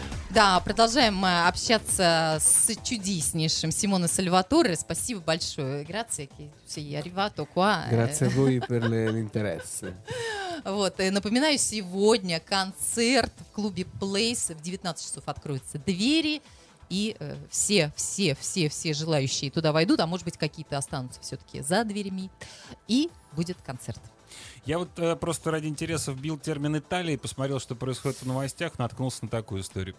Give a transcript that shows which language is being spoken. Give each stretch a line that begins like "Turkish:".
Russian: Да, продолжаем общаться с чудеснейшим Симоне Сальваторе. Спасибо большое.
Italian: Grazie. Arrivato qua. Grazie a voi per l'interesse.
Russian: Вот, напоминаю, сегодня концерт в клубе Place. В 19 часов откроются двери. И все желающие туда войдут, а может быть, какие-то останутся все-таки за дверями. И будет концерт. Я вот просто ради интереса вбил термин Италия и посмотрел, что происходит в новостях, наткнулся на такую историю.